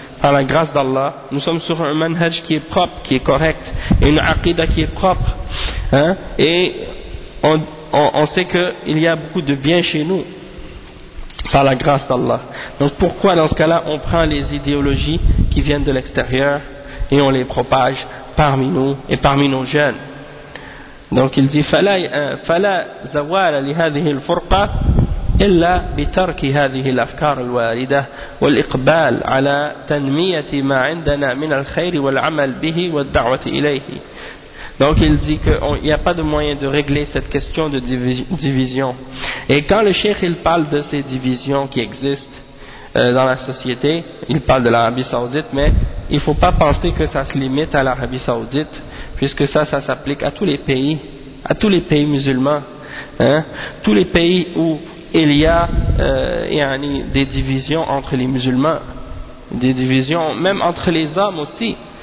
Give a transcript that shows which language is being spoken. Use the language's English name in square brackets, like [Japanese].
[French] Par la grâce d'Allah, nous sommes sur un manhaj qui est propre, qui est correct, une aqida qui est propre, hein, et on sait qu'il y a beaucoup de bien chez nous par la grâce d'Allah. Donc pourquoi dans ce cas-là on prend les idéologies qui viennent de l'extérieur et on les propage parmi nous et parmi nos jeunes? Donc il dit [Arabic] فلا زوال لهذه الفرقة إلا بترك هذه الأفكار الواردة والإقبال على تنمية ما عندنا من الخير والعمل به والدعوة إليه. [French] Donc il dit qu'il n'y a pas de moyen de régler cette question de division. Et quand le cheikh il parle de ces divisions qui existent dans la société, il parle de l'Arabie Saoudite, mais il ne faut pas penser que ça se limite à l'Arabie Saoudite, puisque ça, ça s'applique à tous les pays, à tous les pays musulmans, hein, tous les pays où il y a des divisions entre les musulmans, des divisions même entre les hommes aussi.